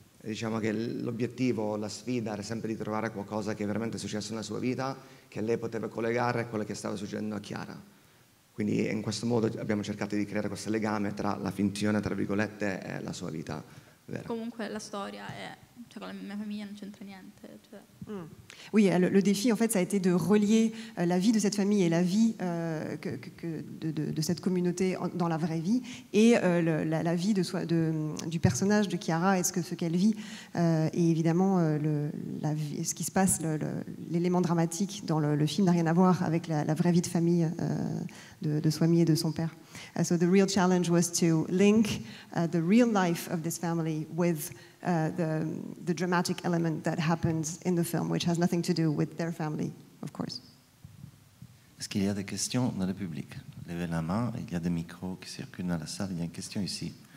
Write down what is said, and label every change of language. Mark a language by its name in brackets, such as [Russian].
[Italian] Diciamo che l'obiettivo, la sfida era sempre di trovare qualcosa che veramente è successo nella sua vita, che lei poteva collegare a quello che stava succedendo a Chiara. Quindi in questo modo abbiamo cercato di creare questo legame tra la finzione, tra virgolette, e la sua vita vera. Comunque la storia è, cioè, con la mia famiglia non c'entra niente. Cioè. [French] Oui, le défi en fait, ça a été de relier la vie de cette famille et la vie de cette communauté dans la vraie vie et la vie du personnage de Chiara et ce qu'elle vit. Et évidemment, ce qui se passe, l'élément dramatique dans le film n'a rien à voir avec la vraie vie de famille de Swami et de son père. [English] So the real challenge was to link the real life of this family with the dramatic element that happens in the film, which has nothing to do with their family, of course. [French] Est-ce qu'il y a des questions dans le public? Levez la main, il y a des micros qui circulent dans la salle, il y a une question ici.